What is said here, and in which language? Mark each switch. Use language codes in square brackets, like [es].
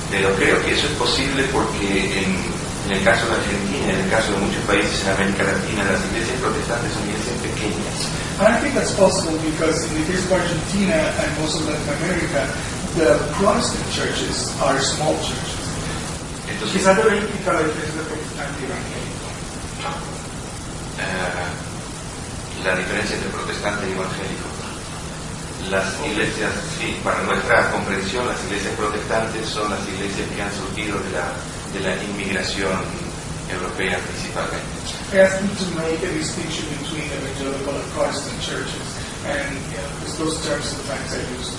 [es] Pero creo que eso es posible porque en el caso de Argentina, en el caso de muchos países en América Latina, las iglesias protestantes son iglesias pequeñas. [en] And I think that's possible because in the case of Argentina and most of Latin America, the Protestant churches are small churches. [es] Entonces, quizá debería implicar la diferencia de protestante y evangélico. La diferencia entre protestante y evangélico. Las iglesias, sí, para nuestra comprensión, las iglesias protestantes son las iglesias que han surgido de la inmigración europea principalmente. [en] I asked them to make a distinction between evangelical and Protestant churches, and those terms sometimes are used.